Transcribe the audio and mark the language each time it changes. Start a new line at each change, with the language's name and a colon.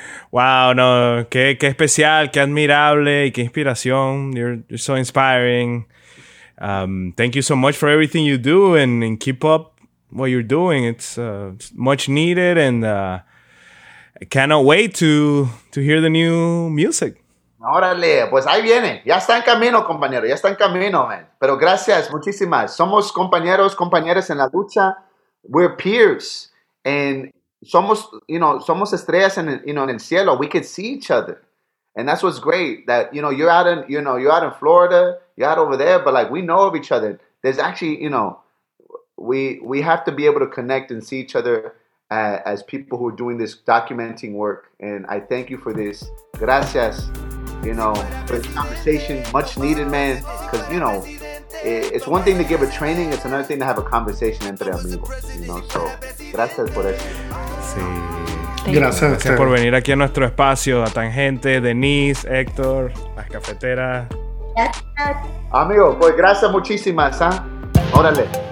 Spanish: Wow, no, qué especial, qué admirable, y qué inspiración.
English: You're so inspiring. Thank you so much for everything you do, and keep up what you're doing. It's much needed, and I cannot wait to hear the new music.
Spanish: Órale, pues ahí viene. Ya está en camino, compañero. Ya está en camino, man. Pero gracias, muchísimas. Somos compañeros, compañeras en la lucha.
English: We're peers. And
Spanish: somos,
English: you know,
Spanish: somos estrellas en el, you know, en el cielo.
English: We could see each other. And that's what's great. That, you know, you're out in Florida. You're out over there. But, like, we know of each other. There's actually, you know, we have to be able to connect and see each other as people who are doing this documenting work. And I thank you for this.
Spanish: Gracias.
English: You know, for the conversation, much needed, man. Because, you know, it's one thing to give a training, it's another thing to have a conversation
Spanish: entre amigos.
English: You know, so,
Spanish: gracias por eso. Sí. Gracias. Gracias por venir aquí a nuestro espacio, a Tangente, Denise, Héctor, Las Cafeteras. Gracias. Amigo, pues gracias muchísimas, ¿eh? Órale.